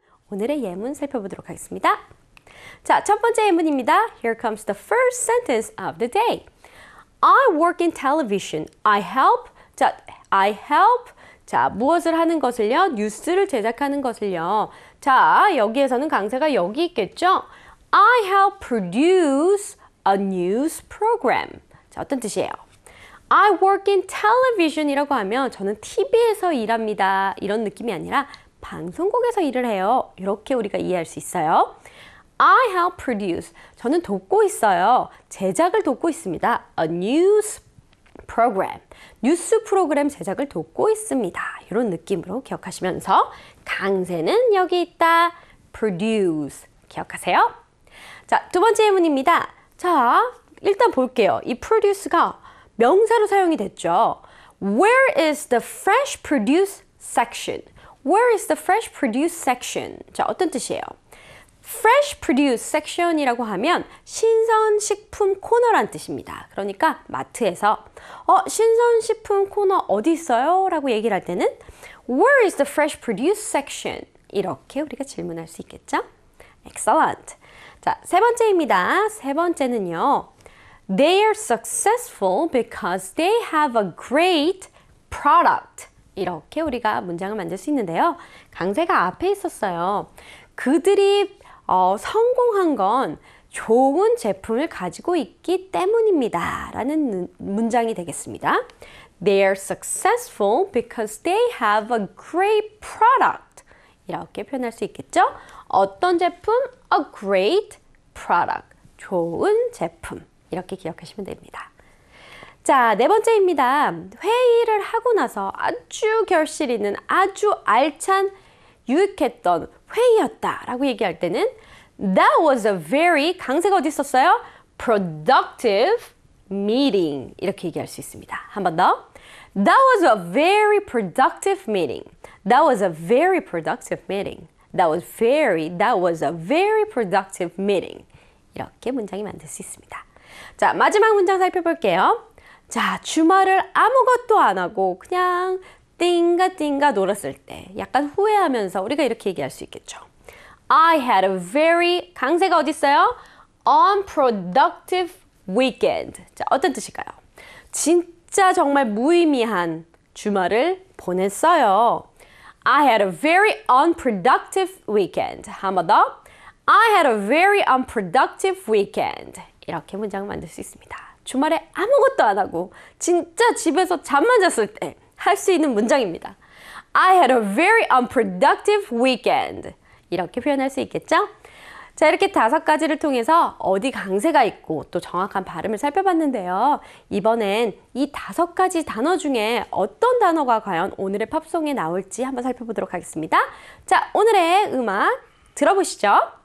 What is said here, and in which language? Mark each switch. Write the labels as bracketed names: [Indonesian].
[Korean] 오늘의 예문 살펴보도록 하겠습니다. 자, 첫 번째 예문입니다. [English] Here comes the first sentence of the day. I work in television. I help. 자, I help. [Korean] 자, 무엇을 하는 것을요? 뉴스를 제작하는 것을요. 자, 여기에서는 강세가 여기 있겠죠? [English] I help produce a news program. [Korean] 자, 어떤 뜻이에요? [English] I work in television [Korean] 이라고 하면 저는 TV에서 일합니다. 이런 느낌이 아니라 방송국에서 일을 해요. 이렇게 우리가 이해할 수 있어요. [English] I help produce. [Korean] 저는 돕고 있어요. 제작을 돕고 있습니다. [English] A news program. [Korean] 뉴스 프로그램 제작을 돕고 있습니다. 이런 느낌으로 기억하시면서 강세는 여기 있다. Produce. 기억하세요. 자, 두 번째 예문입니다. 자, 일단 볼게요. 이 produce가 명사로 사용이 됐죠. [English] Where is the fresh produce section? Where is the fresh produce section? [Korean] 자, 어떤 뜻이에요? [English] Fresh produce section [Korean] 이라고 하면 신선식품 코너란 뜻입니다. 그러니까 마트에서 신선식품 코너 어디 있어요? 라고 얘기를 할 때는 [English] Where is the fresh produce section? [Korean] 이렇게 우리가 질문할 수 있겠죠? [English] Excellent! [Korean] 자, 세 번째입니다. 세 번째는요. [English] They are successful because they have a great product. [Korean] 이렇게 우리가 문장을 만들 수 있는데요. 강세가 앞에 있었어요. 그들이 성공한 건 좋은 제품을 가지고 있기 때문입니다. 라는 문장이 되겠습니다. [English] They are successful because they have a great product. [Korean] 이렇게 표현할 수 있겠죠? 어떤 제품? [English] A great product. [Korean] 좋은 제품. 이렇게 기억하시면 됩니다. 자, 네 번째입니다. 회의를 하고 나서 아주 결실 있는 아주 알찬 유익했던 회의였다라고 얘기할 때는 [English] That was a very [Korean] 강세가 어디 있었어요? [English] Productive meeting [Korean] 이렇게 얘기할 수 있습니다. 한번 더. [English] That was a very productive meeting. That was a very productive meeting. That was very. That was a very productive meeting. [Korean] 이렇게 문장이 만들 수 있습니다. 자, 마지막 문장 살펴볼게요. 자, 주말을 아무것도 안 하고 그냥 띵가띵가 놀았을 때 약간 후회하면서 우리가 이렇게 얘기할 수 있겠죠. [English] I had a very [Korean] 강세가 어딨어요? [English] Unproductive weekend. [Korean] 자, 어떤 뜻일까요? 진짜 정말 무의미한 주말을 보냈어요. [English] I had a very unproductive weekend. [Korean] 한번 더. [English] I had a very unproductive weekend. [Korean] 이렇게 문장을 만들 수 있습니다. 주말에 아무것도 안 하고 진짜 집에서 잠만 잤을 때할수 있는 문장입니다. [English] I had a very unproductive weekend. [Korean] 이렇게 표현할 수 있겠죠? 자, 이렇게 다섯 가지를 통해서 어디 강세가 있고 또 정확한 발음을 살펴봤는데요. 이번엔 이 다섯 가지 단어 중에 어떤 단어가 과연 오늘의 팝송에 나올지 한번 살펴보도록 하겠습니다. 자, 오늘의 음악 들어보시죠.